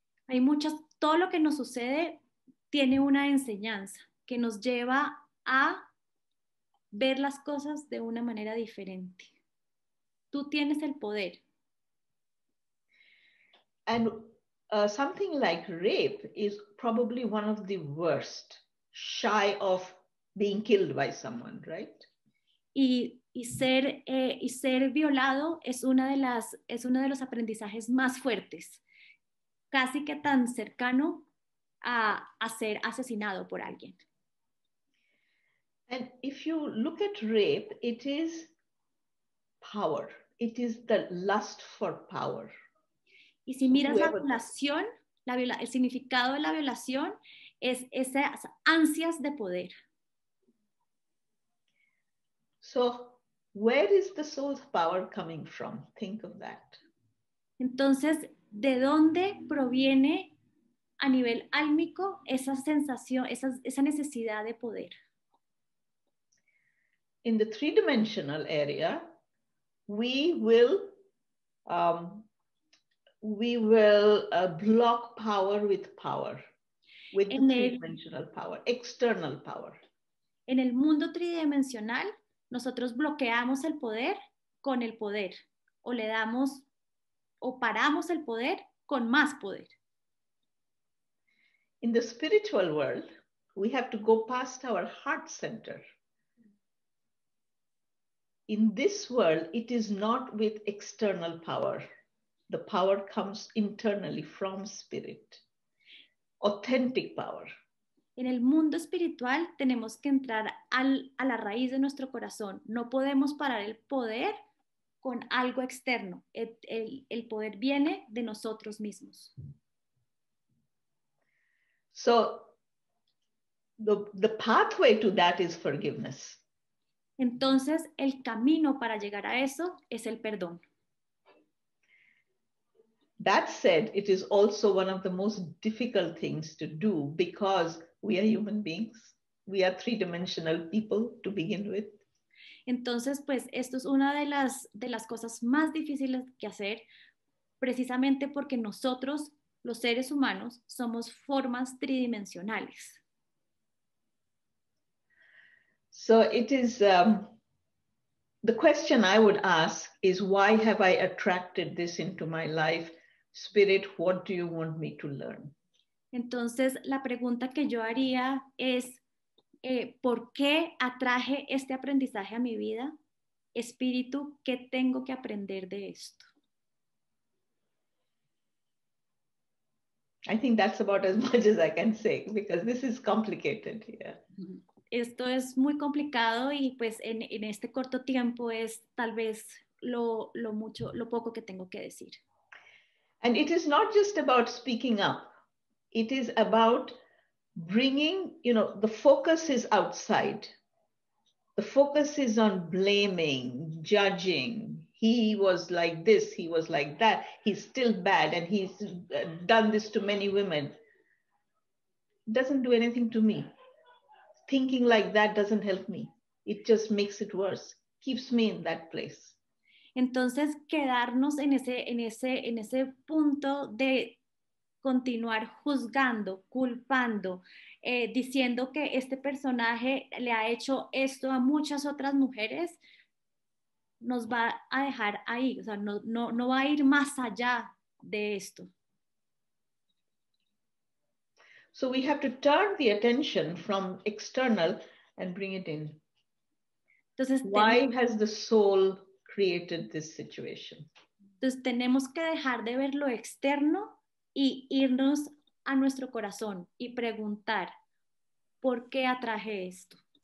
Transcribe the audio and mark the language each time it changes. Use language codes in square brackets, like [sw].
[es] Hay muchas, todo lo que nos sucede tiene una enseñanza que nos lleva a ver las cosas de una manera diferente. Tú tienes el poder. [en] And something like rape is probably one of the worst. Shy of being killed by someone, right? [es] Y ser violado es uno de los aprendizajes más fuertes, casi que tan cercano a ser asesinado por alguien. [en] And if you look at rape, it is power. It is the lust for power. [es] Y si miras la violación, el significado de la violación es esas ansias de poder. [en] So, where is the soul's power coming from? Think of that. [es] Entonces, ¿de dónde proviene a nivel álmico esa sensación, esa necesidad de poder? [en] In the three-dimensional area, we will block power with power. With the three-dimensional power, external power. [es] En el mundo tridimensional, nosotros bloqueamos el poder con el poder, o le damos, o paramos el poder con más poder. [en] In the spiritual world, we have to go past our heart center. In this world, it is not with external power. The power comes internally from spirit. Authentic power. [es] En el mundo espiritual tenemos que entrar a la raíz de nuestro corazón. No podemos parar el poder con algo externo. El poder viene de nosotros mismos. [en] So, the pathway to that is forgiveness. [es] Entonces, el camino para llegar a eso es el perdón. [en] That said, it is also one of the most difficult things to do because we are human beings. We are three-dimensional people to begin with. [es] Entonces, pues, esto es una de las cosas más difíciles que hacer, precisamente porque nosotros, los seres humanos, somos formas tridimensionales. [en] So it is, the question I would ask is, why have I attracted this into my life? Spirit, what do you want me to learn? [es] Entonces, la pregunta que yo haría es, ¿por qué atraje este aprendizaje a mi vida? Espíritu, ¿qué tengo que aprender de esto? [en] I think that's about as much as I can say, because this is complicated here. Yeah. [es] Esto es muy complicado y pues en este corto tiempo es tal vez lo poco que tengo que decir. [en] And it is not just about speaking up. It is about bringing, you know, the focus is outside. The focus is on blaming, judging. He was like this, he was like that. He's still bad and he's done this to many women. Doesn't do anything to me. Thinking like that doesn't help me. It just makes it worse. Keeps me in that place. [es] Entonces, quedarnos en ese punto de continuar juzgando, culpando, diciendo que este personaje le ha hecho esto a muchas otras mujeres, nos va a dejar ahí. O sea, no va a ir más allá de esto. [en] So we have to turn the attention from external and bring it in. [es] Entonces, [en] why has the soul created this situation? [es] Entonces tenemos que dejar de ver lo externo y irnos a nuestro corazón y preguntar, ¿por qué atraje esto?